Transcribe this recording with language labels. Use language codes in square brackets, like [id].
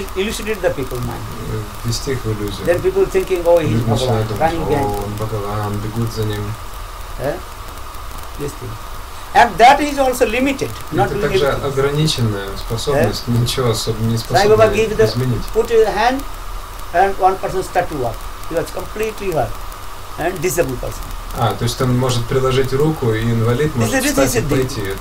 [en] Illuminate the people mind. [ru] Вести их в иллюзию. [en] Then people thinking, oh, he's Bhagavan, running again. [ru] Он Бхагаван, бегут за ним. [en] This thing. And that is also limited, not limited. [ru] Это также ограниченная способность, ничего особо не способна изменить. [en] Put your hand, and one person start to walk. He was completely hurt, and disabled person. [ru] А, то есть он может приложить руку, и инвалид может встать и пойти.